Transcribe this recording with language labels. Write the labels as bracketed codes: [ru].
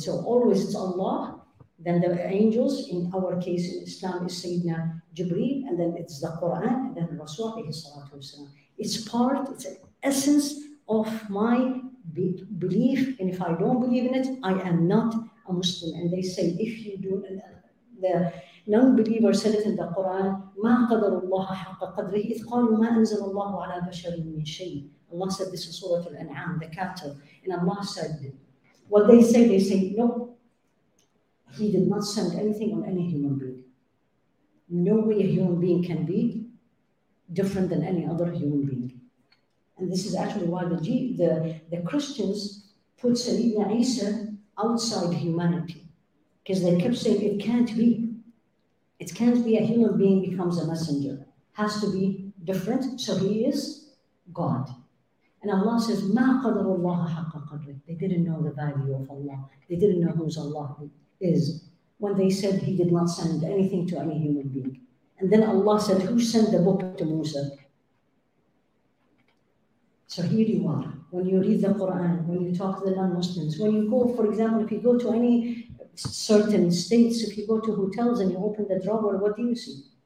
[en] So always it's Allah. Then the angels, in our case in Islam, is Sayyidina Jibreel, and then it's the Quran, and then Rasul alayhi salatu wasalam. It's part, it's an essence of my believe, and if I don't believe in it, I am not a Muslim. And they say, if you do, the non-believer said it in the Quran, [ar] مَا قَدَرُ اللَّهَ حَقَّ قَدْرِهِ إِذْ قَالُوا مَا أَنزَلَ اللَّهُ عَلَى بَشَرٍ مِّن شَيْءٍ. [en] Allah said, this is Surah Al-An'am, the cattle. And Allah said, what they say, no, he did not send anything on any human being. No way a human being can be different than any other human being. And this is actually why the Christians put Sayyidina Isa outside humanity. Because they kept saying, it can't be. It can't be a human being becomes a messenger. Has to be different, so he is God. And Allah says, [ar] مَا قَدَرُ اللَّهَ حَقَّ قَدْرِ. [en] They didn't know the value of Allah. They didn't know who Allah is. When they said he did not send anything to any human being. And then Allah said, who sent the book to Musa? So here you are, when you read the Quran, when you talk to the non-Muslims, when you go, for example, if you go to any certain states, if you go to hotels and you open the drawer, what do you see?